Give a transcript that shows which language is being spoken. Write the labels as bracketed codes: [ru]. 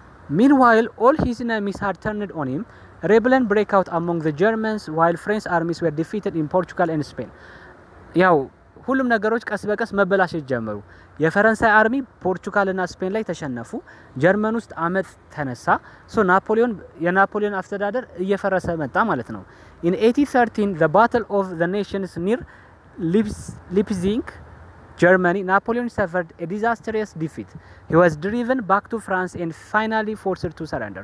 [en] Meanwhile, all his enemies had turned on him. Rebellion broke out among the Germans while French armies were defeated in Portugal and Spain. [am] ያው ሁሉም ነገሮች ቀስ በቀስ መበላሸት ጀመሩ። የፈረንሳይ አርሚ ፖርቹጋልና ስፔን ላይ ተሸነፉ። ጀርመን ውስጥ አመጽ ተነሳ። ሶ ናፖሊዮን የናፖሊዮን አስተዳደር እየፈረሰ መጣ ማለት ነው። [en] In 1813, the Battle of the Nations near Leipzig, Germany, Napoleon suffered a disastrous defeat. He was driven back to France and finally forced to surrender.